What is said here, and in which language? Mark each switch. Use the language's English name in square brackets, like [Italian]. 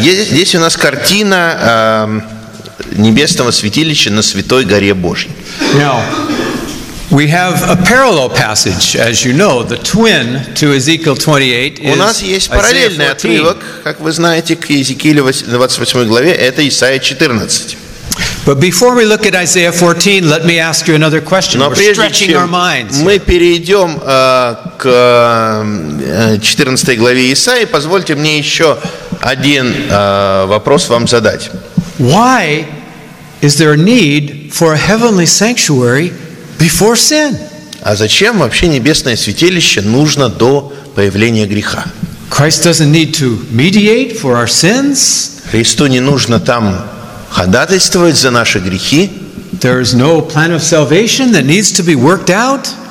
[Russian] Здесь у нас картина небесного святилища на святой горе Божьей. [English] Now, we have a parallel passage, as you know, the twin to Ezekiel 28 is. [Russian] У нас есть параллельный отрывок, как вы знаете, к Иезекиилю 28 главе, это Исаия 14. [English] But before we look at Isaiah 14, let me ask you another question. We're stretching our minds. [Russian] Мы перейдем к 14 главе Исаии. Позвольте мне еще один вопрос вам задать. [English] Why is there a need for a heavenly sanctuary before sin? [Russian] А зачем вообще небесное святилище нужно до появления греха? [English] Christ doesn't need to mediate for our sins. [Russian] Христу не нужно там ходатайствовать за наши грехи. [English] There is no plan of salvation that needs to be worked out.